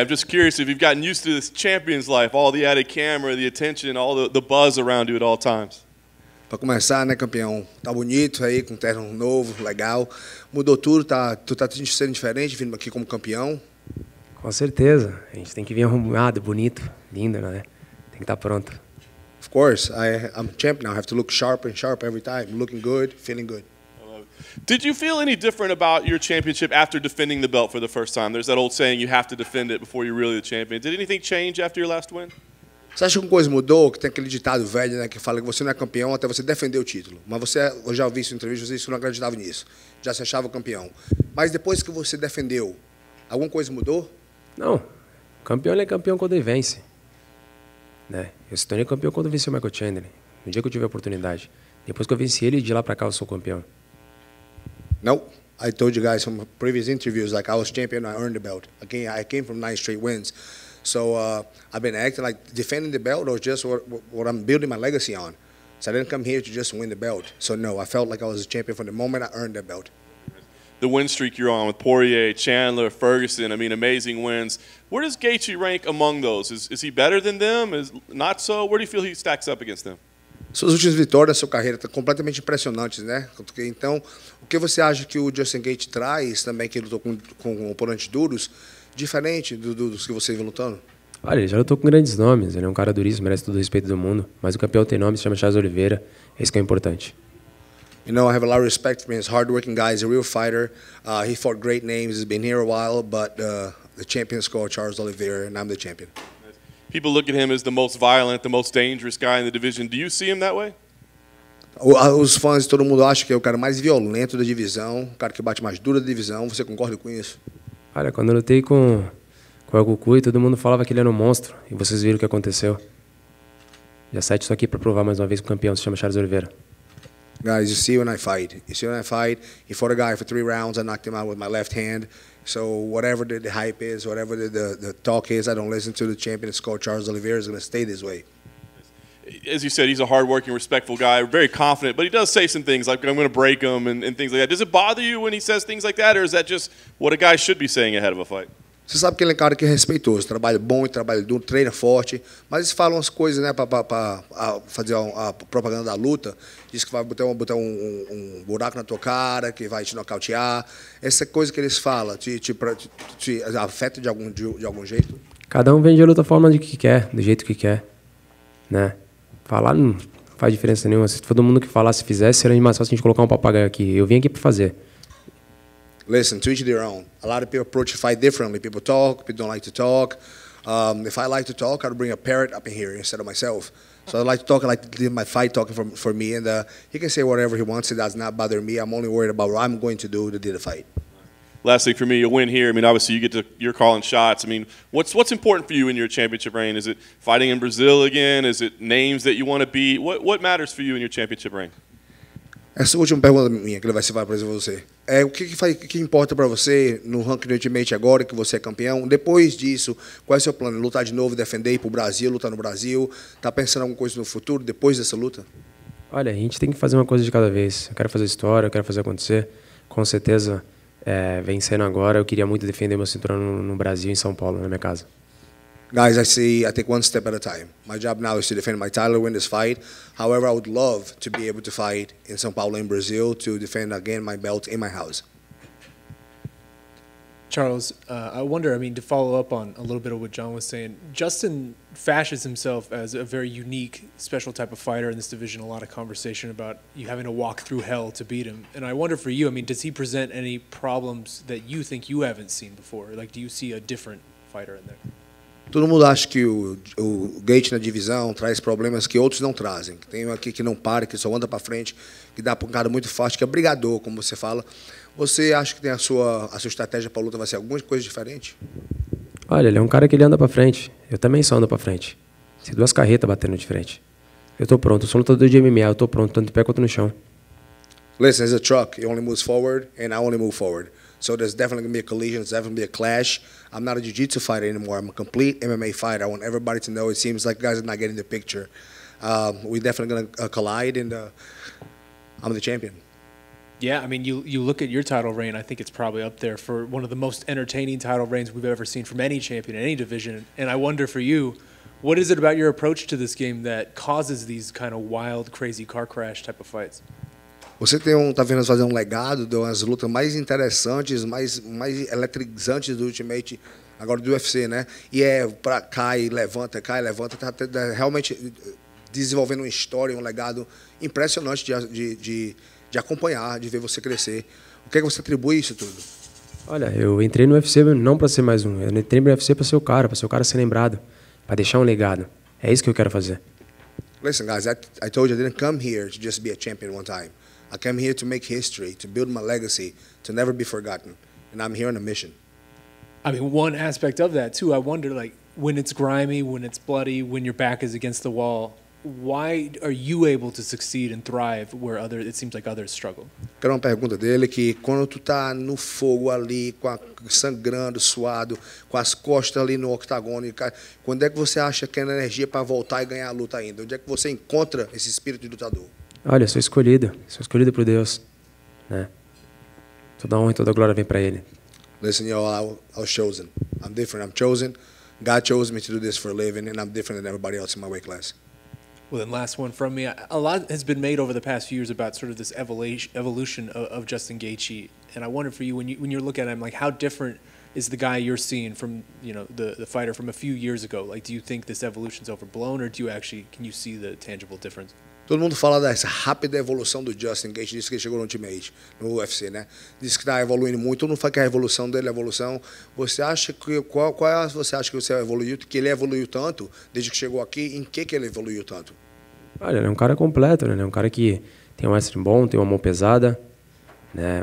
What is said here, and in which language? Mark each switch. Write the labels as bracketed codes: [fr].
[en] I'm just curious if you've gotten used to this champion's life, all the added camera, the attention, all the buzz around you at all times. [pt] Pra começar, né, campeão? Tá bonito aí, com terno novo, legal. Mudou tudo, tá sendo diferente vindo aqui como campeão? Com certeza. A gente tem que vir arrumado, bonito, lindo, né? Tem que estar pronto. [en] Of course, I'm a champion now. I have to look sharper and sharper every time. Looking good, feeling good. Did you feel any different about your championship after defending the belt for the first time? There's that old saying, you have to defend it before you're really the champion. Did anything change after your last win? [pt] Você acha que alguma coisa mudou? Que tem aquele ditado velho, né, que fala que você não é campeão até você defender o título. Mas você, eu já ouvi isso em entrevista, você não acreditava nisso. Já se achava campeão. Mas depois que você defendeu, alguma coisa mudou? Não. Campeão é campeão quando ele vence. Né? Eu se tornei campeão quando venci o Michael Chandler. No dia que eu tive a oportunidade. Depois que eu venci ele, de lá pra cá eu sou campeão. [en] No, I told you guys from previous interviews, like I was champion, I earned the belt. I came from 9 straight wins. So I've been acting like defending the belt was just what I'm building my legacy on. So I didn't come here to just win the belt. So no, I felt like I was a champion from the moment I earned the belt. The win streak you're on with Poirier, Chandler, Ferguson, I mean, amazing wins. Where does Gaethje rank among those? Is he better than them? Is not so? Where do you feel he stacks up against them? [pt] Suas últimas vitórias, sua carreira estão completamente impressionantes, né? Então, o que você acha que o Justin Gaethje traz também, que ele lutou com oponentes duros, diferente dos que você vem lutando? Olha, ele já lutou com grandes nomes, ele é um cara duríssimo, merece todo o respeito do mundo, mas o campeão tem nome, se chama Charles Oliveira, esse que é importante. [en] You know, I have a lot of respect for him, he's a hard-working guy, he's a real fighter, he fought great names, he's been here a while, but the champion is called Charles Oliveira, and I'm the champion. People look at him as the most violent, the most dangerous guy in the division. Do you see him that way? [pt] Os fãs, todo mundo acha que é o cara mais violento da divisão, o cara que bate mais duro da divisão. Você concorda com isso? Olha, quando eu lutei com o Kukui, todo mundo falava que ele era um monstro. E vocês viram o que aconteceu. Já sete estou aqui para provar mais uma vez que o campeão se chama Charles Oliveira. [en] Guys, you see when I fight. You see when I fight. He fought a guy for 3 rounds. I knocked him out with my left hand. So whatever the hype is, whatever the talk is, I don't listen to the champion. It's called Charles Oliveira. Is going to stay this way. As you said, he's a hardworking, respectful guy, very confident. But he does say some things like, I'm going to break him and things like that. Does it bother you when he says things like that? Or is that just what a guy should be saying ahead of a fight? [pt] Você sabe que ele é um cara que é respeitoso, trabalha bom e trabalha duro, treina forte. Mas eles falam umas coisas, né, para fazer a propaganda da luta. Diz que vai botar um buraco na tua cara, que vai te nocautear. Essa coisa que eles falam, te afeta de algum jeito? Cada um vende a luta da forma de que quer, do jeito que quer. Né? Falar não faz diferença nenhuma. Se todo mundo que falasse fizesse, seria mais fácil a gente colocar um papagaio aqui. Eu vim aqui para fazer. [en] Listen, to each their own. A lot of people approach a fight differently. People talk, people don't like to talk. If I like to talk, I'd bring a parrot up in here instead of myself. So I like to talk, I like to leave my fight talking for me. And he can say whatever he wants, it does not bother me. I'm only worried about what I'm going to do the fight. Last thing for me, you win here. I mean, obviously, you're calling shots. I mean, what's important for you in your championship reign? Is it fighting in Brazil again? Is it names that you want to beat? What matters for you in your championship reign? [pt] Essa última pergunta minha, que ele vai se falar para você. É, o que, que importa para você no ranking do Ultimate agora que você é campeão? Depois disso, qual é o seu plano? Lutar de novo, defender, ir para o Brasil, lutar no Brasil? Está pensando em alguma coisa no futuro, depois dessa luta? Olha, a gente tem que fazer uma coisa de cada vez. Eu quero fazer história, eu quero fazer acontecer. Com certeza, vencendo agora, eu queria muito defender meu cinturão no Brasil, em São Paulo, na minha casa. [en] Guys, I take one step at a time. My job now is to defend my title, win this fight. However, I would love to be able to fight in São Paulo, in Brazil, to defend again my belt in my house. Charles, I wonder, I mean, to follow up on a little bit of what John was saying, Justin fashions himself as a very unique, special type of fighter in this division. A lot of conversation about you having to walk through hell to beat him. And I wonder for you, I mean, does he present any problems that you think you haven't seen before? Like, do you see a different fighter in there? [pt] Todo mundo acha que o Gaethje na divisão traz problemas que outros não trazem. Tem um aqui que não para, que só anda para frente, que dá pancada muito forte, que é brigador, como você fala. Você acha que tem a sua estratégia para a luta vai ser alguma coisa diferente? Olha, ele é um cara que ele anda para frente. Eu também só ando para frente. Tem duas carretas batendo de frente. Eu estou pronto. Eu sou lutador de MMA. Eu estou pronto, tanto de pé quanto no chão. [en] Listen, it's a truck. It only moves forward, and I only move forward. So there's definitely going to be a collision, there's definitely going to be a clash. I'm not a jiu-jitsu fighter anymore, I'm a complete MMA fighter. I want everybody to know, it seems like guys are not getting the picture. We're definitely going to collide, and I'm the champion. Yeah, I mean, you look at your title reign, I think it's probably up there for one of the most entertaining title reigns we've ever seen from any champion in any division. And I wonder for you, what is it about your approach to this game that causes these kind of wild, crazy car crash type of fights? [pt] Você tem tá vendo fazer legado, deu as lutas mais interessantes, mais eletrizantes do Ultimate, agora do UFC, né? E é para cai, levanta, tá realmente desenvolvendo uma história, legado impressionante de acompanhar, de ver você crescer. O que é que você atribui isso tudo? Olha, eu entrei no UFC não para ser mais eu entrei no UFC para ser o cara ser lembrado, para deixar legado. É isso que eu quero fazer. [en] Listen, guys, I told you I didn't come here to just be a champion one time. I came here to make history, to build my legacy, to never be forgotten. And I'm here on a mission. I mean, one aspect of that, too, I wonder, like, when it's grimy, when it's bloody, when your back is against the wall, why are you able to succeed and thrive where other, it seems like others struggle? [pt] Quero uma pergunta dele, que quando tu tá no fogo ali, sangrando, suado, com as costas ali no octagono, quando é que você acha que é energia para voltar e ganhar a luta ainda? Onde é que você encontra esse espírito de lutador? Olha, sou escolhido por Deus, né? Toda honra e toda glória vem para Ele. [en] Listen, y'all, I was chosen. I'm different. I'm chosen. God chose me to do this for a living, and I'm different than everybody else in my weight class. Well, then, last one from me. A lot has been made over the past few years about sort of this evolution of Justin Gaethje, and I wonder for you, when you look at him, like, how different is the guy you're seeing from, you know, the fighter from a few years ago? Like, do you think this evolution's overblown, or do you actually can you see the tangible difference? [pt] Todo mundo fala dessa rápida evolução do Justin Gaethje, disse que ele chegou no Ultimate, no UFC, né? Diz que está evoluindo muito, todo mundo fala que a evolução dele é a evolução. Você acha que, qual é, você acha que você evoluiu, que ele evoluiu tanto, desde que chegou aqui, em que ele evoluiu tanto? Olha, ele é um cara completo, né? Ele é um cara que tem um wrestling bom, tem uma mão pesada, né?